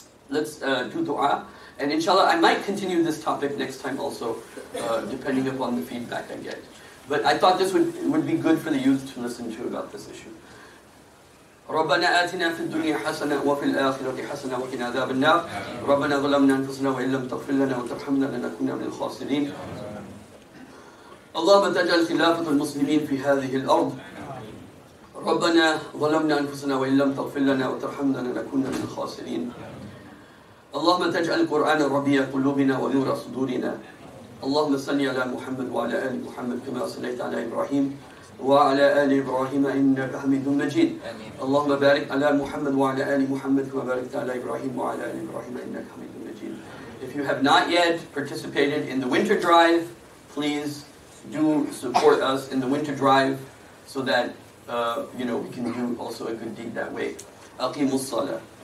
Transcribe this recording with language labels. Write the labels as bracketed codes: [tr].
[en] Let's do dua. And inshallah, I might continue this topic next time also, depending upon the feedback I get. But I thought this would be good for the youth to listen to about this issue. [ar] ربنا آتنا في الدنيا حسنة وفي الآخرة حسنة وقنا عذاب النار. ربنا ظلمنا أنفسنا وإن لم تغفر لنا وترحمنا لنكون من الخاسرين. اللهم تجعل خلافة المسلمين في هذه الأرض. ربنا ظلمنا أنفسنا وإن لم تغفر لنا وترحمنا لنكون من الخاسرين. اللهم تجعل القرآن ربيع قلوبنا ونور صدورنا. اللهم صل على محمد وعلى آل محمد كما صليت على إبراهيم وعلى آل إبراهيم إنك حميد مجيد. اللهم بارك على محمد وعلى آل محمد كما باركت على إبراهيم وعلى آل إبراهيم إنك حميد مجيد. [en] If you have not yet participated in the winter drive, please do support us in the winter drive so that we can do also a good deed that way. [ar] أقيموا الصلاة.